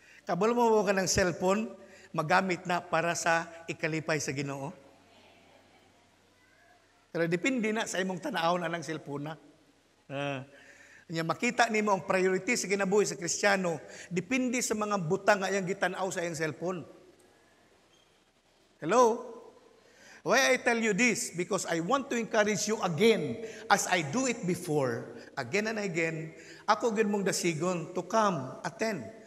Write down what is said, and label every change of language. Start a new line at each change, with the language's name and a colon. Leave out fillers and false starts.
Cebuano: Kabalo mo ka ng cellphone, magamit na para sa ikalipay sa Ginoo. Pero depende na sa imong tanaw na ng cellphone na. Nya makita nimo ang priority sa kinabuhi sa Kristiyano, depende sa mga butang ayang gitan-aw sa iyang cellphone.
English: Hello? Why I tell you this? Because I want to encourage you again, as I do it before, again and again,
Cebuano: ako gyud mong dasigon
English: to come, attend.